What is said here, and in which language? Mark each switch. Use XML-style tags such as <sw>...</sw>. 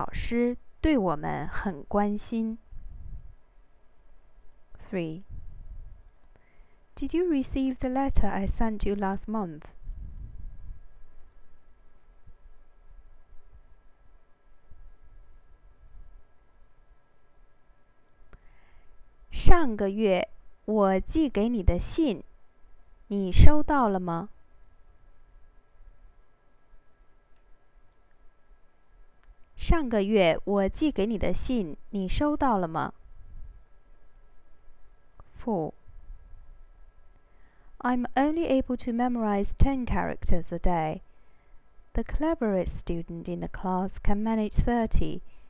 <zh>我们在中国留学的时候，北京大学的老师对我们很关心。 3.</zh> <en>Did you receive the letter I sent you last month?</en> <zh>上个月我寄给你的信，你收到了吗？上个月我寄给你的信，你收到了吗？ 4.</zh> <en>I'm only able to memorize 10 characters a day. The cleverest student in the class can manage 30.</en>